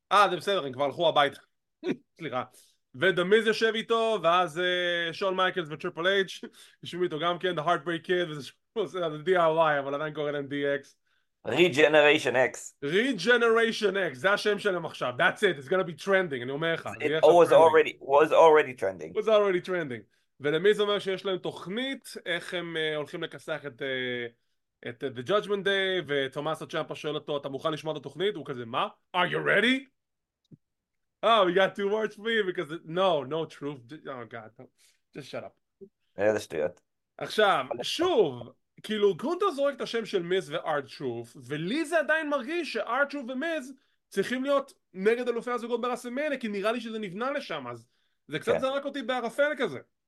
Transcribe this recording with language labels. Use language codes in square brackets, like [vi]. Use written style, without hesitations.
[he] זה בסדר, הם כבר הלכו הביתה. סליחה. ודמיז יושב איתו, ואז שון מייקלס וטריפל אייץ' יושבים איתו גם כן, The Heartbreak Kid, וזה עושה את ה-DIY, אבל עדיין קורא להם DX. [en] Regeneration X. [he] Regeneration X, זה השם שלהם עכשיו. [en] That's it, it's gonna be trending, [he] אני אומר לך. [en] It was already trending. Was already trending. [he] ולמיז אומר שיש להם תוכנית, איך הם הולכים לקסח את, את The Judgment Day, ותומאס הצ'אמפה שואל אותו, אתה מוכן לשמוע את התוכנית? הוא כזה, מה? [en] Are you ready? Oh, we got two words for you because it, no, no truth. Oh, God. Just shut up. [he] איזה שטויות. עכשיו, שוב, כאילו, גונטר זורק את השם של מיז וארט-טרוף, ולי זה עדיין מרגיש שארט-טרוף ומיז צריכים להיות נגד אלופי הזוגות ברסלמניה, כי נראה לי שזה נבנה לשם, אז זה קצת זרק אותי בערפל כזה.